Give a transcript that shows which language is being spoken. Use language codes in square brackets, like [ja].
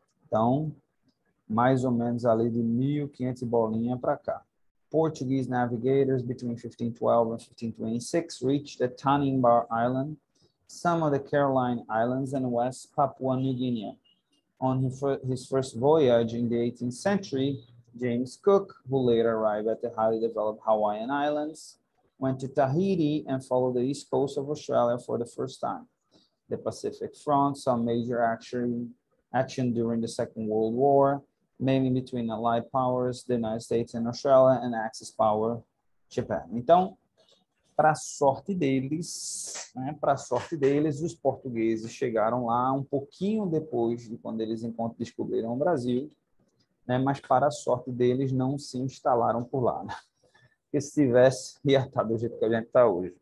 [pt] Então, mais ou menos ali de 1500 bolinha para cá. [en] Portuguese navigators between 1512 and 1526 reached the Tanimbar Island, some of the Caroline Islands and West Papua New Guinea. On his first voyage in the 18th century, James Cook, who later arrived at the highly developed Hawaiian Islands, went to Tahiti and followed the east coast of Australia for the first time. The Pacific Front saw major action during the Second World War, mainly between Allied powers, the United States and Australia, and Axis power, Japan. [pt] Então, para sorte deles, os portugueses chegaram lá um pouquinho depois de quando eles descobriram o Brasil, né? Mas para a sorte deles não se instalaram por lá, né? Que se tivesse, ia estar do jeito que a gente está hoje.